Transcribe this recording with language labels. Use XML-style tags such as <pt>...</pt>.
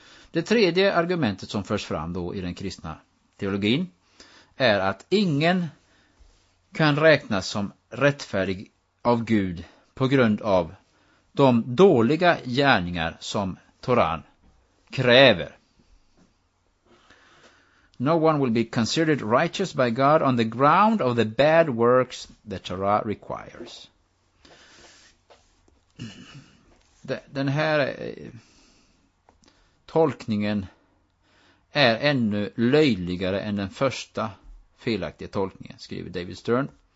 <sv>Det tredje argumentet som förs fram då i den kristna teologin är att ingen kan räknas som rättfärdig av Gud på grund av de dåliga gärningar som Toran kräver.</sv> <en>No one will be considered righteous by God on the ground of the bad works the Torah requires.</en> <sv>Den här tolkningen är ännu löjligare än den första felaktiga tolkningen, skriver David Stern.</sv>